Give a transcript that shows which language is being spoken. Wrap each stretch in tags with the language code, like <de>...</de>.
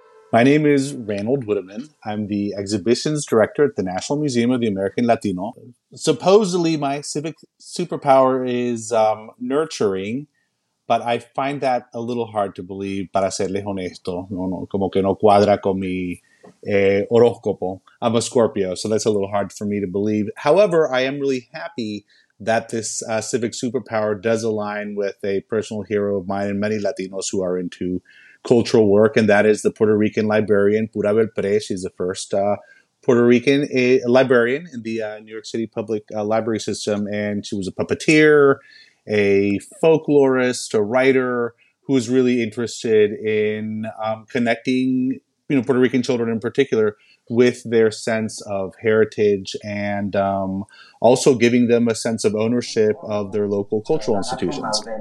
<en>My name is Ranald Woodeman. I'm the Exhibitions Director at the National Museum of the American Latino. Supposedly, my civic superpower is nurturing, but I find that a little hard to believe,</en> <es>para serles honesto. No, como que no cuadra con mi horóscopo.</es> <en>I'm a Scorpio, so that's a little hard for me to believe. However, I am really happy that this civic superpower does align with a personal hero of mine and many Latinos who are into cultural work, and that is the Puerto Rican librarian, Pura Belpre. She's the first Puerto Rican librarian in the New York City public library system, and she was a puppeteer, a folklorist, a writer who was really interested in connecting, you know, Puerto Rican children in particular with their sense of heritage and also giving them a sense of ownership of their local cultural institutions.</en>